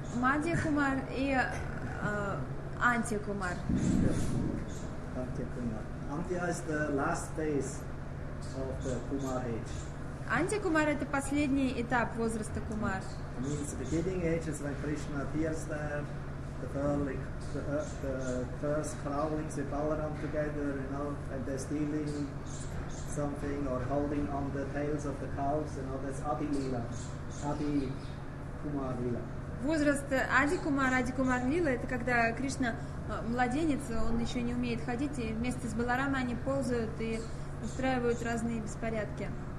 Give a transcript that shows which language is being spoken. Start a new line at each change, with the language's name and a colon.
Russian: Мадья Кумар и Антия Кумар. Антия Кумар.
English: Антия is the last phase of the Kumar age.
Russian: Антия Кумар это последний этап возраста Кумар.
English: It means the beginning age is when Krishna appears there, the first crawling with Balaram together, you know, and they're stealing something or holding on the tails of the cows, you know, that's Adi Lila, Adi Kumar Lila.
Russian: Возраст Ади Кумар, Ади Кумар Лила, это когда Кришна младенец, он еще не умеет ходить, и вместе с Баларамой они ползают и устраивают разные беспорядки.